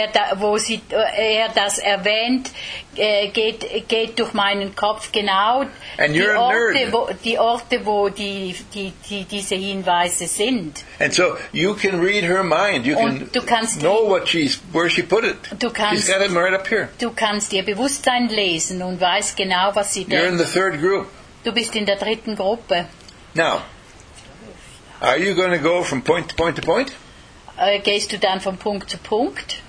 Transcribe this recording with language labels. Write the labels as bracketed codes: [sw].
[de] In dem Moment, wo er das erwähnt, geht durch meinen Kopf genau die Orte, wo diese Hinweise sind. [en] And so you can read her mind. You can know where she put it. She's got it right up here. [de] Du kannst ihr Bewusstsein lesen und weißt genau, was sie denkt. [en] You're in the third group. [de] Du bist in der dritten Gruppe. [en] Now, are you going to go from point to point to point? [de] Gehst du dann von Punkt zu Punkt?